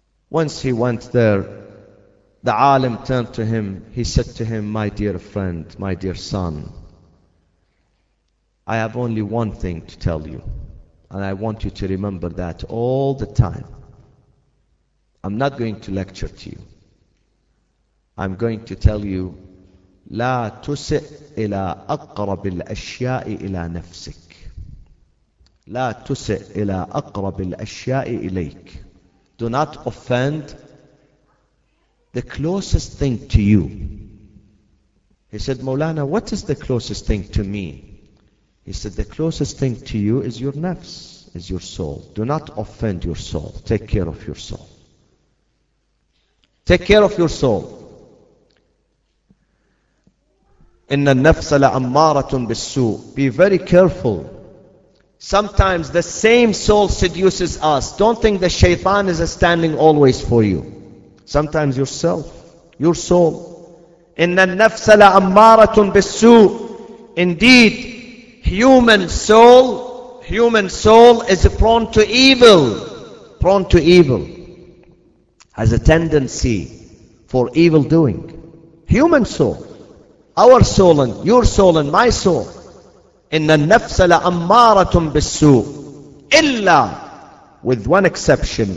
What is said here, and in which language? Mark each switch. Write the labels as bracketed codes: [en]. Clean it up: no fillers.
[en] Once he went there, the alim turned to him. He said to him, "My dear friend, my dear son, I have only one thing to tell you, and I want you to remember that all the time. I'm not going to lecture to you. I'm going to tell you, [ar] لا تسئ إلى أقرب الأشياء إلى نفسك. لا تسئ إلى أقرب الأشياء إليك. [en] Do not offend the closest thing to you." He said, "Mawlana, what is the closest thing to me?" He said, "The closest thing to you is your nafs, is your soul. Do not offend your soul. Take care of your soul. Take care of your soul. [ar] إِنَّ النَّفْسَ لَأَمَّارَةٌ بِالسُّوءِ. [en] Be very careful. Sometimes the same soul seduces us. Don't think the shaitan is standing always for you. Sometimes yourself, your soul. [ar] إِنَّ النَّفْسَ لَأَمَّارَةٌ بِالسُّوءِ. [en] indeed, human soul is prone to evil. Prone to evil. Has a tendency for evil doing. Human soul. Our soul and your soul and my soul. [ar] إِنَّ النَّفْسَ لَأَمَّارَةٌ بِالسُّوءِ إِلَّا [en] with one exception.